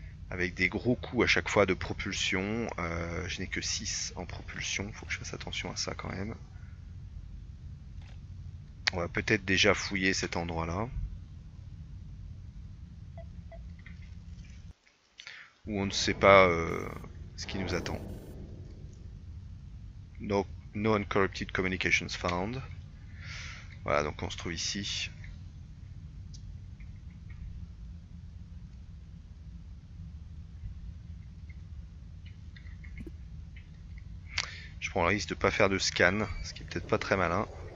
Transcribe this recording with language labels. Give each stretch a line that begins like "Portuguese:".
French: Avec des gros coups à chaque fois de propulsion. Je n'ai que 6 en propulsion. Faut que je fasse attention à ça quand même. On va peut-être déjà fouiller cet endroit-là. Où on ne sait pas ce qui nous attend.
English: No, no uncorrupted communications found.
French: Voilà, donc on se trouve ici. Je prends le risque de ne pas faire de scan, ce qui est peut-être pas très malin.